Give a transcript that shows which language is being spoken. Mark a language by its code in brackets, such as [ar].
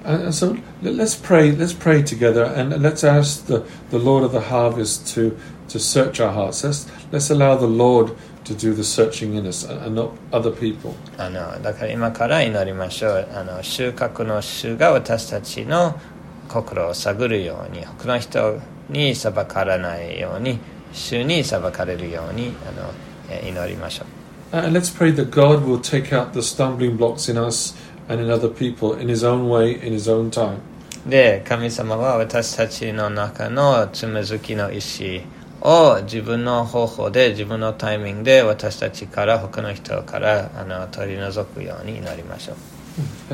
[en] So let's pray together and let's ask the Lord of the harvest to search our hearts. Let's allow the Lord. To do the searching in us and not other people. [ja] だから今から祈りましょう。収穫の主が私たちの心を探るように、他の人に裁かれないように、主に裁かれるように祈りましょう。 [en] And let's pray that God will take out the stumbling blocks in us and in other people in His own way, in His own time. [ja] で、神様は私たちの中のつむずきの石。を自分の方法で自分のタイミングで私たちから他の人から取り除くように祈りましょう。